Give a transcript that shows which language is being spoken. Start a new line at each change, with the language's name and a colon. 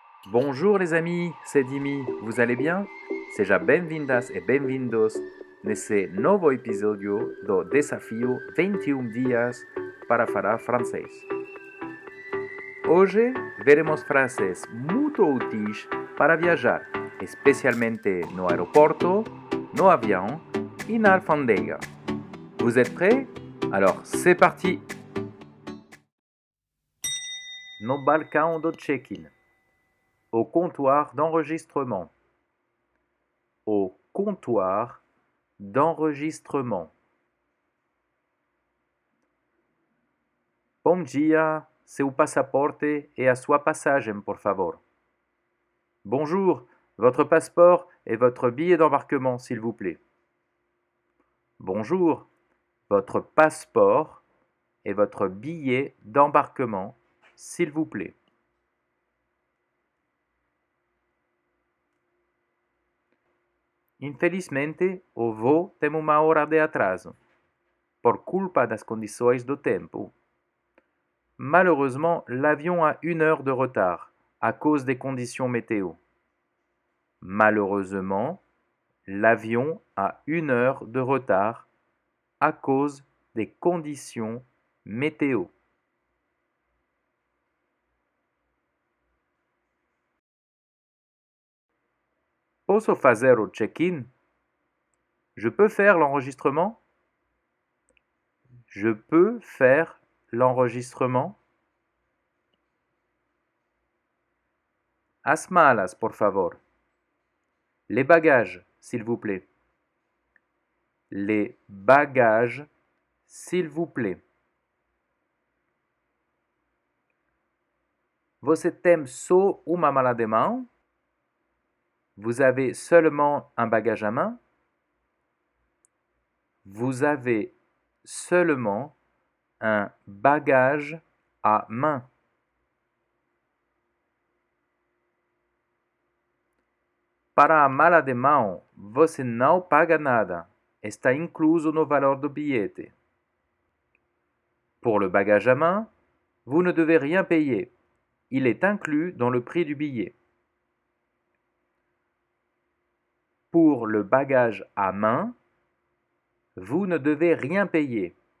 French: Bonjour les amis, c'est Dimi, vous allez bien?
Portuguese: Seja bem-vindas e bem-vindos nesse novo episódio do Desafio 21 Dias para falar francês. Hoje veremos frases muito úteis para viajar, especialmente no aeroporto, no avião e na alfândega.
French: Vous êtes prêts? Alors c'est parti!
Portuguese: No balcão do check-in.
French: Au comptoir d'enregistrement. Au comptoir d'enregistrement.
Portuguese: Bom dia, seu passaporte e a sua passagem, por favor.
French: Bonjour, votre passeport et votre billet d'embarquement, s'il vous plaît. Bonjour, votre passeport et votre billet d'embarquement, s'il vous plaît.
Portuguese: Infelizmente, o voo tem uma hora de atraso, por culpa das condições do tempo.
French: Malheureusement, l'avion a une heure de retard, à cause des conditions météo. Malheureusement, l'avion a une heure de retard, à cause des conditions météo.
Portuguese: Posso fazer o check-in?
French: Je peux faire l'enregistrement? Je peux faire l'enregistrement?
Portuguese: As malas, por favor.
French: Les bagages, s'il vous plaît. Les bagages, s'il vous plaît.
Portuguese: Você tem só uma mala de mão?
French: Vous avez seulement un bagage à main? Vous avez seulement un bagage à main.
Portuguese: Para a mala de mão, você não paga nada. Está incluso no valor do bilhete.
French: Pour le bagage à main, vous ne devez rien payer. Il est inclus dans le prix du billet. Pour le bagage à main, vous ne devez rien payer.